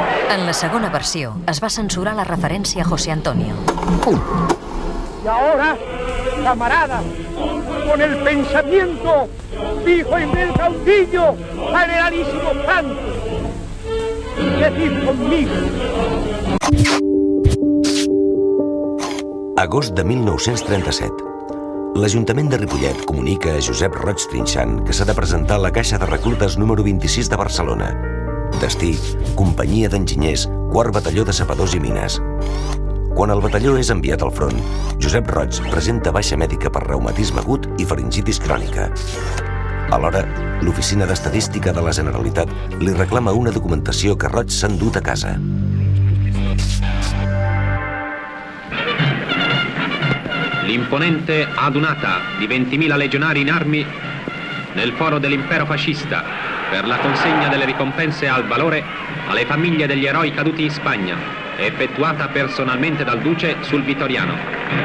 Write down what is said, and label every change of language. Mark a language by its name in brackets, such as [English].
[Catalan] En la segona versió es va censurar la referència a José Antonio. [Spanish] Y ahora, camarada, con el pensamiento fijo en el caudillo generalísimo Franco, decid conmigo. [Catalan] Agost de 1937. L'Ajuntament de Ripollet comunica a Josep Roig Trinxant que s'ha de presentar a la Caixa de Reclutes número 26 de Barcelona. Destí, Companyia d'Enginyers, 4 Batalló de Sapadors i Mines. Quan el batalló és enviat al front, Josep Roig presenta baixa mèdica per reumatisme agut i faringitis crònica. Alhora, l'Oficina d'Estadística de la Generalitat li reclama una documentació que Roig s'ha endut a casa. [Italian] L'imponente adunata di 20.000 legionari in armi nel foro dell'impero fascista per la consegna delle ricompense al valore alle famiglie degli eroi caduti in Spagna, effettuata personalmente dal duce sul Vittoriano.